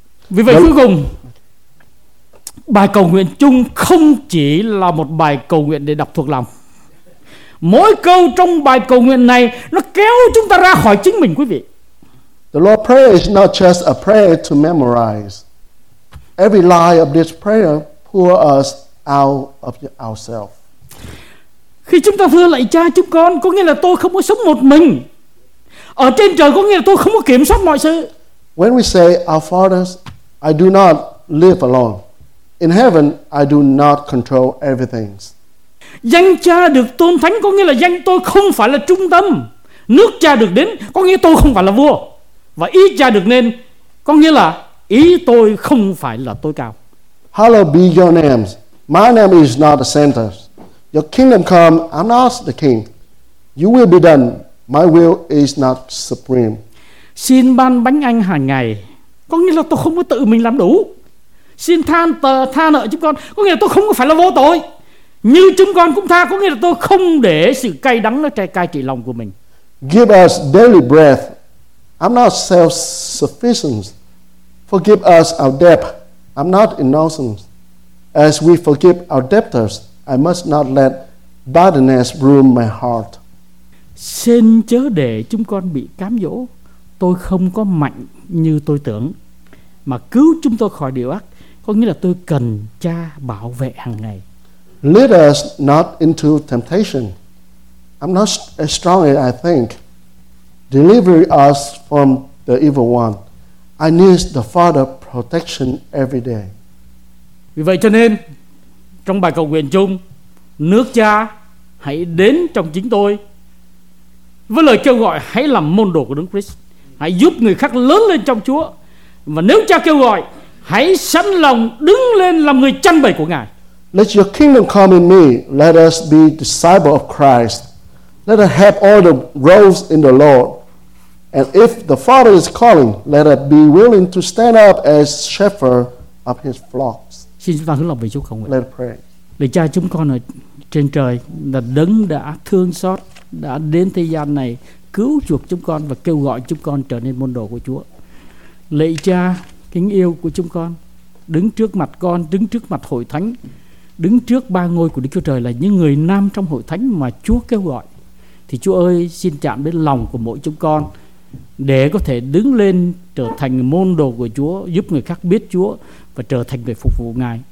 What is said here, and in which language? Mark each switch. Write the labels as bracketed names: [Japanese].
[Vietnamese] Vì vậy cuối cùng, bài cầu nguyện chung không chỉ là một bài cầu nguyện để đọc thuộc lòng. Mỗi câu trong bài cầu nguyện này nó kéo chúng ta ra khỏi chính mình quý vị. [English] The Lord's Prayer is not just a prayer to memorize. Every line of this prayer pulls us out of ourselves. [Vietnamese] Khi chúng ta thưa lạy cha chúng con, có nghĩa là tôi không có sống một mình. Ở trên trời có nghĩa là tôi không có kiểm soát mọi sự. [English] When we say our fathers, I do not live alone. In heaven, I do not control everything. [Vietnamese] Danh cha được tôn thánh có nghĩa là danh tôi không phải là trung tâm. Nước cha được đến có nghĩa tôi không phải là vua. Và ý cha được nên có nghĩa là ý tôi không phải là tối cao. [English] Hallowed be your name. My name is not the center. Your kingdom come, I'm not the king. You will be done. My will is not supreme. [Vietnamese] Xin ban bánh anh hàng ngày có nghĩa là tôi không có tự mình làm đủ. Xin tha nợ chúng con có nghĩa là tôi không có phải là vô tội. Như chúng con cũng tha có nghĩa là tôi không để sự cay đắng nó cai trị lòng của mình. [English] Give us daily breath. I'm not self-sufficient. Forgive us our debt. I'm not innocent. As we forgive our debtors, I must not let bitterness rule my heart. [Vietnamese] Xin chớ để chúng con bị cám dỗ. Tôi không có mạnh như tôi tưởng. Mà cứu chúng tôi khỏi điều ác có nghĩa là tôi cần cha bảo vệ hàng ngày. [English] Lead us not into temptation. I'm not as strong as I think. Deliver us from the evil one. I need the Father's protection every day. [Vietnamese] Vì vậy cho nên trong bài cầu nguyện chung, nước cha hãy đến trong chính tôi. với lời kêu gọi hãy làm môn đồ của Đấng Christ, hãy giúp người khác lớn lên trong Chúa. Và nếu Cha kêu gọi, hãy sẵn lòng đứng lên làm người chăn bầy của Ngài. [English] Let your kingdom come in me. Let us be disciples of Christ. Let us have all the roles in the Lord. And if the Father is calling, let us be willing to stand up as shepherd of His flock. [Vietnamese] Xin chúng ta hướng lòng về Chúa cầu nguyện. [English] Let us pray. [Vietnamese] Lạy Cha, chúng con ở trên trời là Đấng đã thương xót, đã đến thế gian này cứu chuộc chúng con và kêu gọi chúng con trở nên môn đồ của Chúa. Lạy Cha kính yêu của chúng con, đứng trước mặt con, đứng trước mặt hội thánh, đứng trước ba ngôi của Đức Chúa Trời là những người nam trong hội thánh mà Chúa kêu gọi, thì Chúa ơi, xin chạm đến lòng của mỗi chúng con để có thể đứng lên trở thành môn đồ của Chúa, giúp người khác biết Chúa và trở thành người phục vụ Ngài.